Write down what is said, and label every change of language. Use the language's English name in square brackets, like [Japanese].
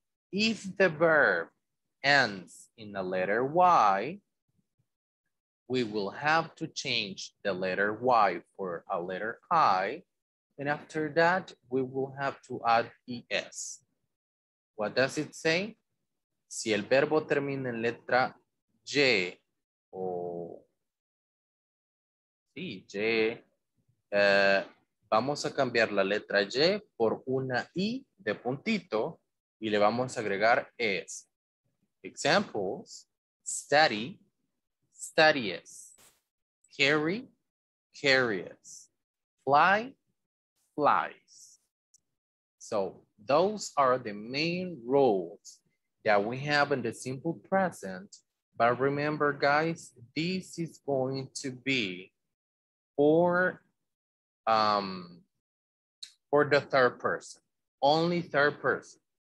[English] If the verb ends in the letter Y, we will have to change the letter Y for a letter I. And after that, we will have to add ES. What does it say? [Spanish] Si el verbo termina en letra J, o sí, J, vamos a cambiar la letra J por una I de puntito y le vamos a agregar S. [English] Examples, study, studies, carry, carries, fly, flies. So those are the main rules. that we have in the simple present. But remember, guys, this is going to be for the third person, only third person.